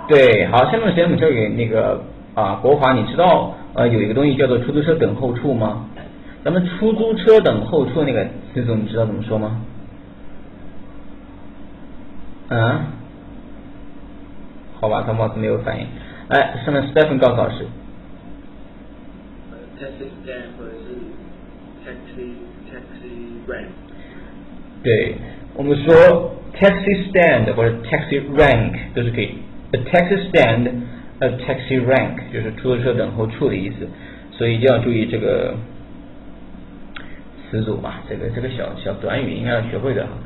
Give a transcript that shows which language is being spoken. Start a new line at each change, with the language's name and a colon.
Chinese: 对，好，下面的时间我们交给那个啊，国华，你知道有一个东西叫做出租车等候处吗？咱们出租车等候处那个词组，你知道怎么说吗？嗯，好吧，他貌似没有反应。哎，上面 Stephen 告诉老师。
English: Taxi stand 或者是 taxi rank。
Chinese: 对，我们说
English: taxi stand
Chinese: 或者
English: taxi rank
Chinese: 都是可以。
English: A taxi stand, a taxi rank
Chinese: 就是出租车等候处的意思，所以一定要注意这个词组嘛，这个小短语应该要学会的。